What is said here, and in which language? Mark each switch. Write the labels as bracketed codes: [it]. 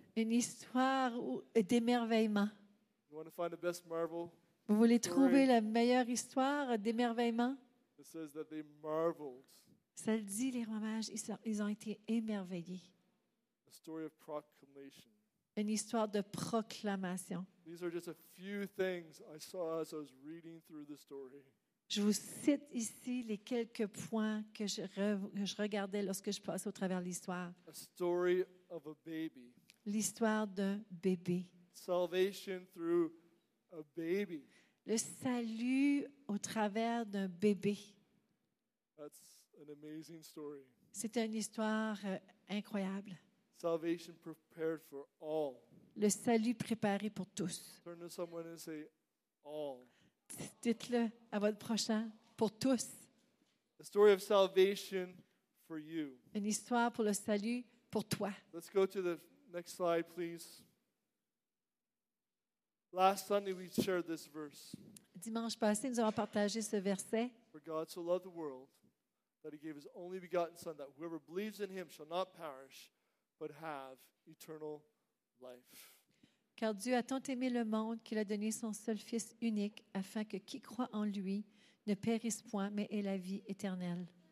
[fr] Une histoire d'émerveillement. [en] You want to find the best marvel [fr] vous voulez trouver la meilleure histoire d'émerveillement? [en] It says that they marveled. [fr] Ça le dit, les rois mages, ils ont été émerveillés. [en] A story of proclamation. [fr] Une histoire de proclamation. [en] These are just a few things I saw as I was reading through the story. [fr] Je vous cite ici les quelques points que je regardais lorsque je passais au travers de l'histoire. [en] A story of a baby. [fr] L'histoire d'un bébé. [en] Salvation through a baby. [fr] Le salut au travers d'un bébé. [en] That's an amazing story. [fr] C'est une histoire incroyable. [en] Salvation prepared for all. [fr] Le salut préparé pour tous. [en] Turn to someone and say, all. [fr] Dites-le à votre prochain, pour tous. [en] A story of salvation for you. [fr] Une histoire pour le salut pour toi. [en] Let's go to the next slide, please. Last Sunday we shared this verse. [fr] Dimanche passé, nous avons partagé ce verset. [en] For God so loved the world that he gave his only begotten son that whoever believes in him shall not perish but have eternal life. [fr] Car Dieu a tant aimé le monde qu'il a donné son seul fils unique afin que qui croit en lui ne périsse point mais ait la vie éternelle.